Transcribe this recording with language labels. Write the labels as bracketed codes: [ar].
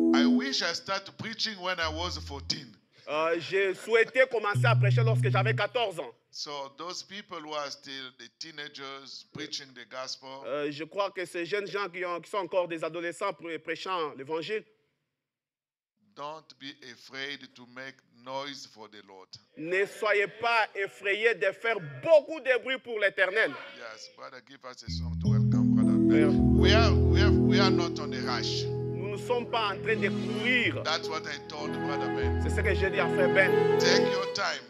[en] I wish I started preaching when I was 14. [fr] J'ai souhaité commencer à prêcher lorsque j'avais 14 ans. [en] So those people who are still the teenagers preaching the gospel. [fr] Je crois que ces jeunes gens qui sont encore des adolescents prêchant l'évangile. [en] Don't be afraid to make noise for the Lord. [fr] Ne soyez pas effrayés de faire beaucoup de bruit pour l'Éternel. [en] Yes, brother, give us a song to welcome brother Ben. We are not on a rush. [fr] Nous ne sommes pas en train de courir. [en] That's what I told Brother Ben. [fr] C'est ce que j'ai dit à Frère Ben. [en] Take your time.